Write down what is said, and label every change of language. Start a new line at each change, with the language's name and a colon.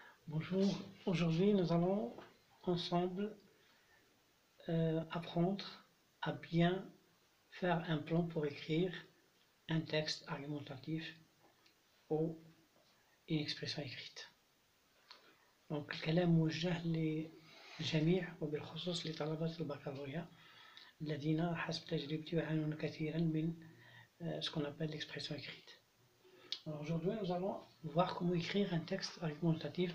French: Bonjour, aujourd'hui nous allons ensemble apprendre à bien faire un plan pour écrire un texte argumentatif ou une expression écrite.
Arabic: Donc, كلام موجه للجميع وبالخصوص لطلبة البكالوريا الذين حسب تجربتي يعانون كثيرا من
French: ce qu'on appelle l'expression écrite. Alors aujourd'hui, nous allons voir comment écrire un texte argumentatif.